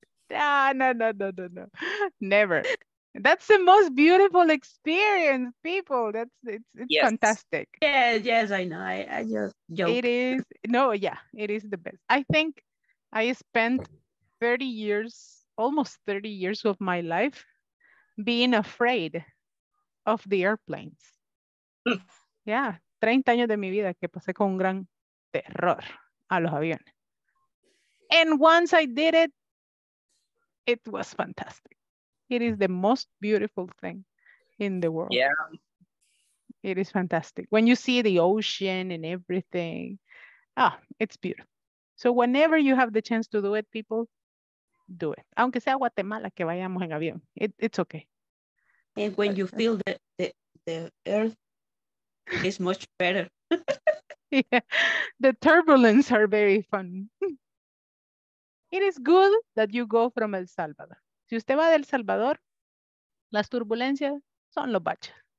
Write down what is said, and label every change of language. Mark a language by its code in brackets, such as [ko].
[en] Ah, no. Never. That's the most beautiful experience, people. That's it's yes. Fantastic. Yes, I know. I just joke. It is. No, yeah, it is the best. I think I spent 30 years, almost 30 years of my life being afraid of the airplanes. [es] Yeah, 30 años de mi vida que pasé con un gran terror a los aviones. [en] And once I did it, it was fantastic. It is the most beautiful thing in the world. Yeah. It is fantastic. When you see the ocean and everything, it's beautiful. So whenever you have the chance to do it, people, do it. [es] Aunque sea Guatemala, que vayamos en avión. [en] It's okay. And when you feel the earth, it's much better. Yeah. The turbulence are very fun. It is good that you go from El Salvador. [es] Si usted va del Salvador, las turbulencias son los baches.